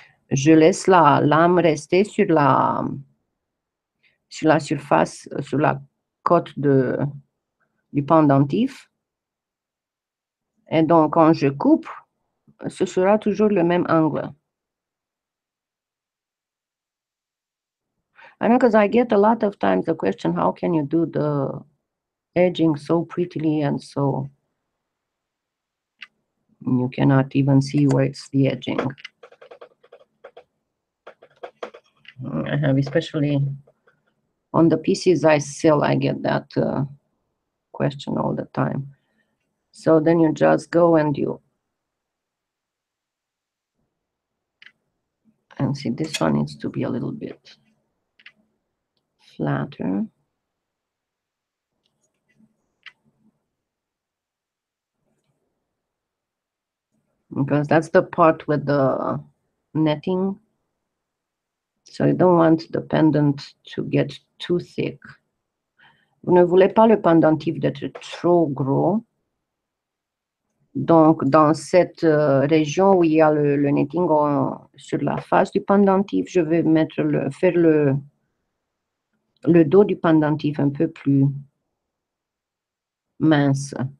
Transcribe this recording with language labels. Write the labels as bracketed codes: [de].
[fr] Je laisse la lame rester sur la surface, sur la côte de, du pendentif. Et donc, quand je coupe, ce sera toujours le même angle. [en] I know, because I get a lot of times the question, how can you do the edging so prettily and so... You cannot even see where it's the edging. I have, especially on the pieces I sell, I get that question all the time. So then you just go and you, and see, this one needs to be a little bit flatter. Because that's the part with the netting. So you don't want the pendant to get too thick. [fr] Vous ne voulez pas le pendentif d'être trop gros. Donc dans cette région où il y a le netting sur la face du pendentif, je vais mettre le, faire le dos du pendentif un peu plus mince.